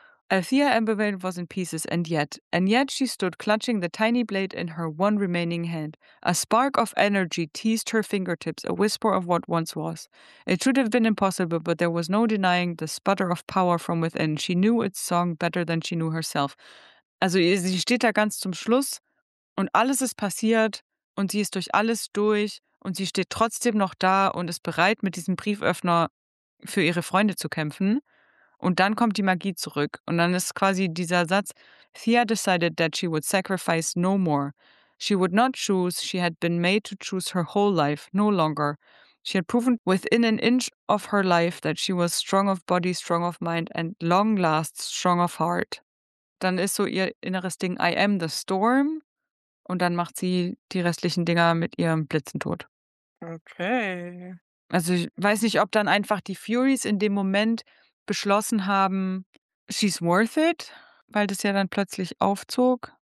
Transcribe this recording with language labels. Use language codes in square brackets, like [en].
[en] Althea Ambervale was in pieces, and yet she stood clutching the tiny blade in her one remaining hand. A spark of energy teased her fingertips, a whisper of what once was. It should have been impossible, but there was no denying the sputter of power from within. She knew its song better than she knew herself. [de] Also sie steht da ganz zum Schluss und alles ist passiert und sie ist durch alles durch. Und sie steht trotzdem noch da und ist bereit, mit diesem Brieföffner für ihre Freunde zu kämpfen. Und dann kommt die Magie zurück. Und dann ist quasi dieser Satz, [en] Thea decided that she would sacrifice no more. She would not choose, she had been made to choose her whole life, no longer. She had proven within an inch of her life that she was strong of body, strong of mind and long last strong of heart. [de] dann ist so ihr inneres Ding [en] I am the storm [de] und dann macht sie die restlichen Dinger mit ihrem Blitzentod. Okay. Also ich weiß nicht, ob dann einfach die Furies in dem Moment beschlossen haben, [en] she's worth it, [de] weil das ja dann plötzlich aufzog.